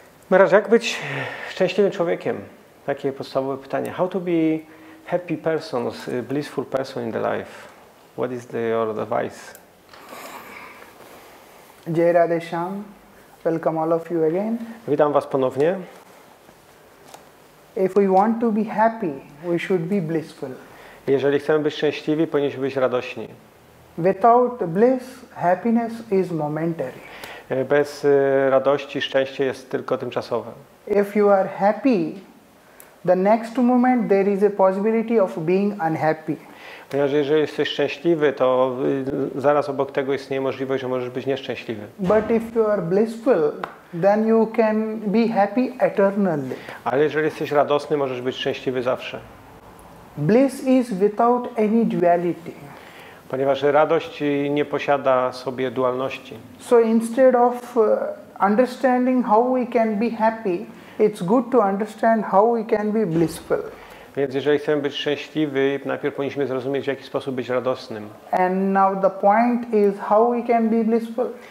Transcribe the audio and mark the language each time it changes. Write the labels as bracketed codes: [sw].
[pl] Maharadż, jak być szczęśliwym człowiekiem? Takie podstawowe pytanie. [en] How to be happy person, blissful person in the life? What is your advice? [hi] Jai Radhe Shyam. [en] Welcome all of you again. [pl] Witam was ponownie. [en] If we want to be happy, we should be blissful. [pl] Jeżeli chcemy być szczęśliwi, powinniśmy być radośni. [en] Without bliss, happiness is momentary. [pl] Bez radości szczęście jest tylko tymczasowe. [en] If you are happy, the next moment there is a possibility of being unhappy. [pl] Ponieważ jeżeli jesteś szczęśliwy, to zaraz obok tego istnieje możliwość, że możesz być nieszczęśliwy. [en] But if you are blissful, then you can be happy eternally. [pl] Ale jeżeli jesteś radosny, możesz być szczęśliwy zawsze. [en] Bliss is without any duality. [pl] Ponieważ radość nie posiada sobie dualności. [en] So instead of understanding how we can be happy, it's good to understand how we can be blissful. [pl] Więc jeżeli chcemy być szczęśliwy, najpierw powinniśmy zrozumieć, w jaki sposób być radosnym. [en] And now the point is how we can be blissful.